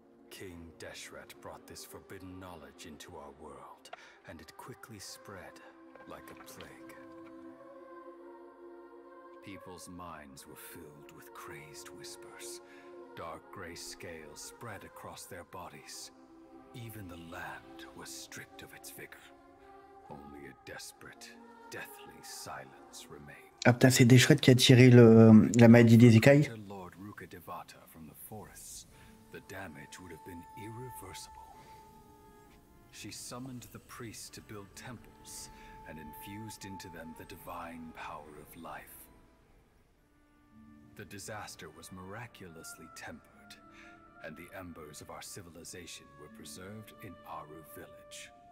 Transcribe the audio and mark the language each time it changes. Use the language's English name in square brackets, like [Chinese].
[English] King Deshret brought this forbidden knowledge into our world, and it quickly spread like a plague. People's minds were filled with crazed whispers. Dark gray scales spread across their bodies. Even the land was stripped of its vigor. Only a desperate, deathly silence remained. [French] Ah putain, c'est Deshret qui a tiré la maladie des écailles. [English] Lord Ruka Devata from the forests, the damage would have been irreversible. She summoned the priests to build temples and infused into them the divine power of life. The disaster was miraculously tempered, and the embers of our civilization were preserved in Aru village.